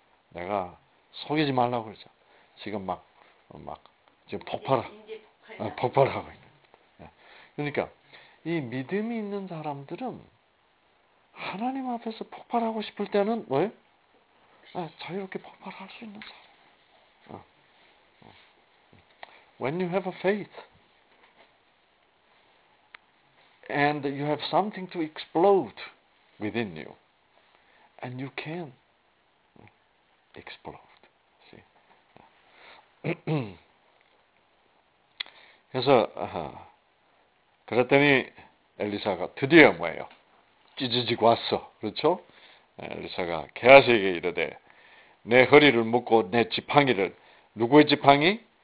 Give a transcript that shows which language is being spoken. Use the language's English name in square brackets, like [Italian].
[Korean] 내가 속이지 말라고 그러죠. 지금 지금 폭발하고 있는. 그러니까 이 믿음이 있는 사람들은 하나님 앞에서 폭발하고 싶을 때는 뭐예요? 자유롭게 폭발할 수 있는 사람. [English] When you have a faith and you have something to explode within you and you can explode. See? [Korean] 그래서 그랬더니 엘리사가 드디어 뭐예요? 찌지직 왔어. 그렇죠? 엘리사가 게하시에게 이르되 내 허리를 묶고 내 지팡이를 누구의 지팡이?